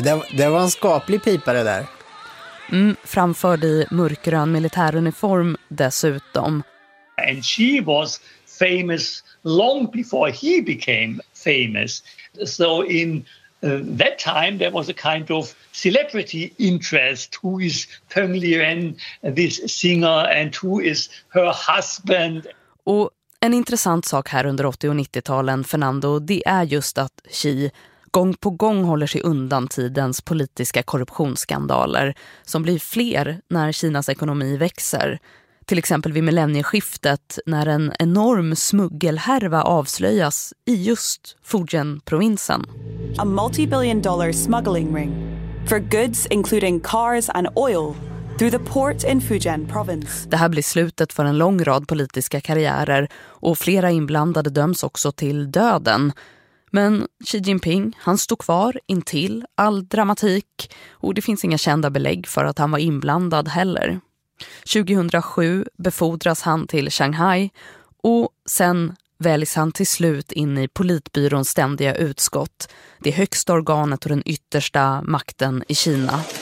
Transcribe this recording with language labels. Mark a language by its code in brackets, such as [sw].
[sv] Det var en skaplig pipa det där. framförd i mörkgrön militäruniform dessutom. [en] And she was famous long before he became famous. So in that time there was a kind of celebrity interest. Who is Peng Lian, this singer, and who is her husband? [sv] Och en intressant sak här under 80- och 90-talen, Fernando, det är just att Xi gång på gång håller sig undan tidens politiska korruptionsskandaler som blir fler när Kinas ekonomi växer. Till exempel vid millennieskiftet när en enorm smuggelhärva avslöjas i just Fujian-provinsen. [en] A multi-billion dollar smuggling ring for goods including cars and oil through the port in Fujian province. [sv] Det här blir slutet för en lång rad politiska karriärer och flera inblandade döms också till döden. Men Xi Jinping, han stod kvar intill all dramatik och det finns inga kända belägg för att han var inblandad heller. 2007 befordras han till Shanghai och sen väljs han till slut in i politbyråns ständiga utskott, det högsta organet och den yttersta makten i Kina.